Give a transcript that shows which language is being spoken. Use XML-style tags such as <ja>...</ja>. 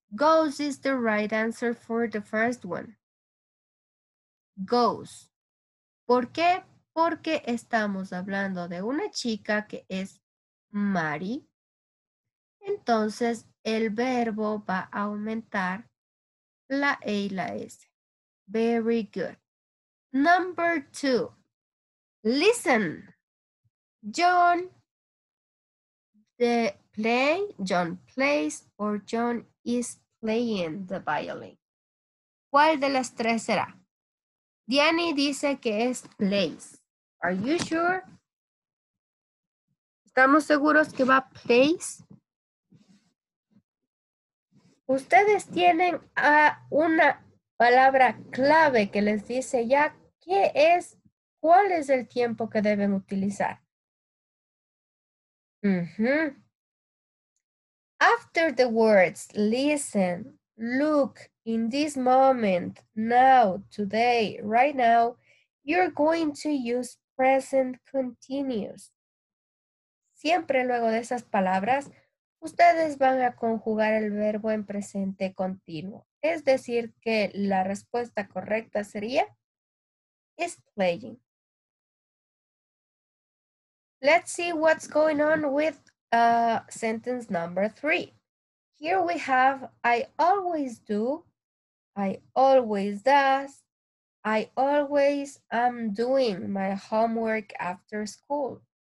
<en>Goes is the right answer for the first one. Goes.</en> <es>¿Por qué? Porque estamos hablando de una chica que es Mari. Entonces, el verbo va a aumentar la E y la S.</es> <en>Very good. Number two. Listen. John, the play, John plays or John is playing the violin.</en> <es>¿Cuál de las tres será? Diani dice que es plays.</es> <en>Are you sure?</en> <es>¿Estamos seguros que va plays? Ustedes tienen a una palabra clave que les dice ya qué es, cuál es el tiempo que deben utilizar.</es> <en>After the words listen, look, in this moment, now, today, right now, you're going to use present continuous.</en> <es>Siempre luego de esas palabras, ustedes van a conjugar el verbo en presente continuo. Es decir, que la respuesta correcta sería, is playing.</es> <en>Let's see what's going on with sentence number three. Here we have, I always do, I always does, I always am doing my homework after school.</en>